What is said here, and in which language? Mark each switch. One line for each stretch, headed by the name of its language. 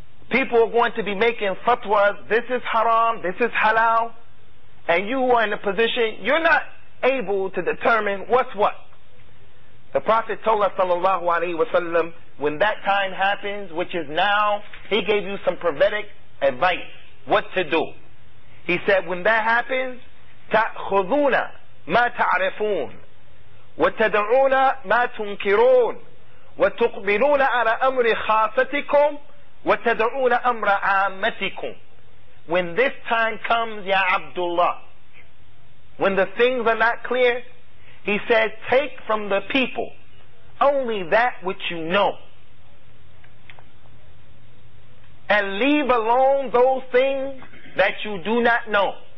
English: People are going to be making fatwas. This is haram. This is halal. And you are in a position, you're not able to determine what's what. The Prophet told us, sallallahu alaihi wasallam, when that time happens, which is now, he gave you some prophetic advice, what to do. He said, when that happens,
Arabic: تَأْخُذُونَ مَا تَعْرِفُونَ وَتَدْعُونَ مَا تُنْكِرُونَ وَتُقْبِلُونَ عَلَى أَمْرِ خَاصَتِكُمْ وَتَدْعُونَ أَمْرَ عَامَتِكُمْ.
English: When this time comes, Ya Abdullah, when the things are not clear, he said, take from the people only that which you know. And leave alone those things that you do not know.